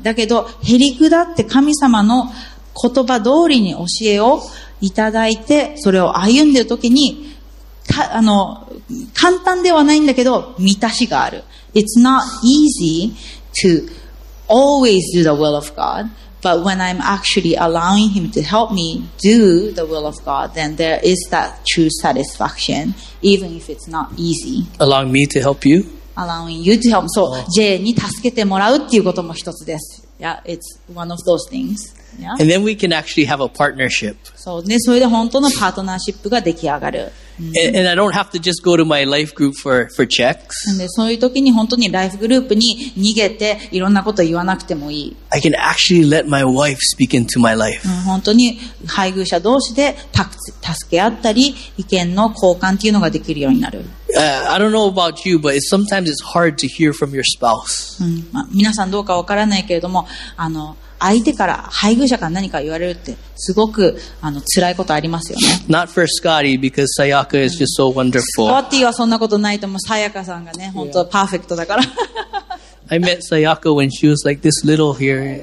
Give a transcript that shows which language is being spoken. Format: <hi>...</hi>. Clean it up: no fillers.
<ja>だけど、へりくだって神様の言葉通りに教えをいただいて、それを歩んでいる時に、簡単ではないんだけど、満たしがある。</ja> <en>It's not easy to always do the will of God, but when I'm actually allowing Him to help me do the will of God, then there is that true satisfaction, even if it's not easy. Allowing me to help you? Allowing you to help. So,</en> <ja>J に助けてもらうっていうことも一つです。</ja> <en>Yeah, it's one of those things. Yeah. And then we can actually have a partnership.</en> <ja>そうね、それで本当のパートナーシップが出来上がる。</ja> <en>And I don't have to just go to my life group for checks.</en> <ja>でそういう時に本当にライフグループに逃げていろんなこと言わなくてもいい。</ja> <en>I can actually let my wife speak into my life.</en> <ja>本当に配偶者同士で助け合ったり意見の交換っていうのができるようになる。</ja> <en>I don't know about you, but sometimes it's hard to hear from your spouse.</en> <ja>皆さんどうかわからないけれども、相手から、配偶者から何か言われるってすごく辛いことありますよね。</ja> <en>Not for Scotty, because Sayaka is just so wonderful.</en> <ja>Scotty はそんなことないと思う。Sayaka さんがね、本当はパーフェクトだから。</ja> <en>I met Sayaka when she was like this little here.</en>